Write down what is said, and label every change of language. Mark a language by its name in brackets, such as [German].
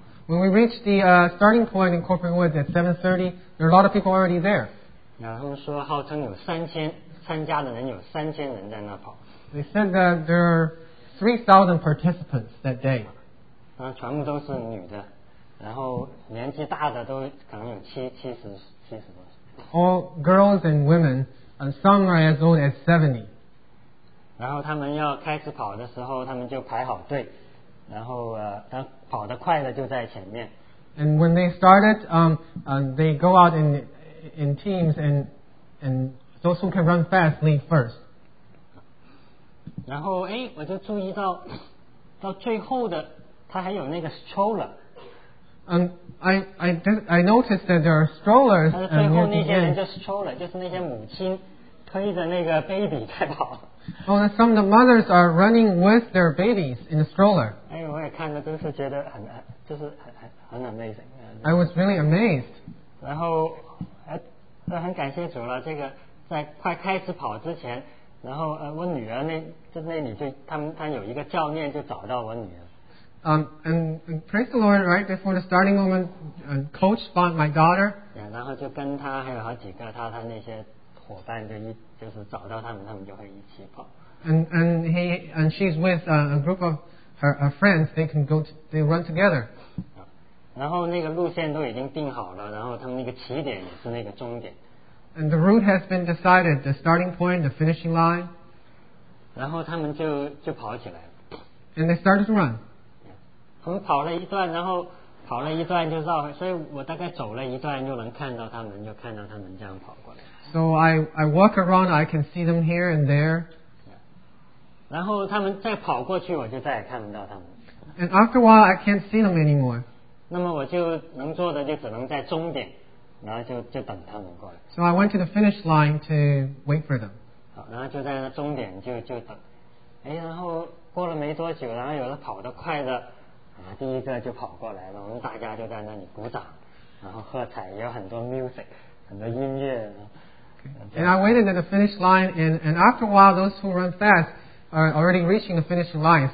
[English] When we reached the starting point in Corporate Wood at 7:30, there are a lot of people already there. [Chinese] 然后他们说号称有3000参加的人，有3000人在那跑。 [English] They said that there are 3,000 participants that day. [Chinese] 然后全部都是女的，然后年纪大的都可能有七十多。 [English] All girls and women, and some are as old as 70. [Chinese] 然后他们要开始跑的时候，他们就排好队，然后他跑得快的就在前面。 [English] And when they started, they go out in teams, and those who can run fast lead first. [Chinese] 然后哎，我就注意到最后的，他还有那个 stroller。 [English] I noticed that there are strollers. [Chinese] 但是最后那些人就 stroller, 就是那些母亲推着那个 baby 在跑。 [English] Oh, and some of the mothers are running with their babies in the stroller. [Chinese] 哎，我也看了，真是觉得很 amazing. [English] I was really amazed. [Chinese] 然后，很感谢主了。这个在快开始跑之前，然后我女儿那里就他有一个教练就找到我女儿。 [English] And praise the Lord, right before the starting moment, coach found my daughter. [Chinese] Yeah, 然后就跟他还有好几个他那些伙伴就是找到他们就会一起跑。 [English] And she's with a group of her friends. They can go, they run together. [Chinese] 然后那个路线都已经定好了，然后他们那个起点也是那个终点。 [English] And the route has been decided, the starting point, the finishing line. [Chinese] 然后他们就跑起来了。 [English] And they started to run. [Chinese] 我们跑了一段，然后跑了一段就绕，所以我大概走了一段就能看到他们，就看到他们这样跑过来。 [English] So I walk around, I can see them here and there. [Chinese] 然后他们再跑过去，我就再也看不到他们。 [English] And after a while, I can't see them anymore. [Chinese] 那么我就能做的就只能在终点，然后就等他们过来。 [English] So I went to the finish line to wait for them. [Chinese] 好，然后就在那终点就等。哎，然后过了没多久，然后有的跑得快的。第一个就跑过来了，我们大家就在那里鼓掌，然后喝彩，也有很多 music, 很多音乐。 [English] Okay. And I waited at the finish line, and after a while, those who run fast are already reaching the finish line.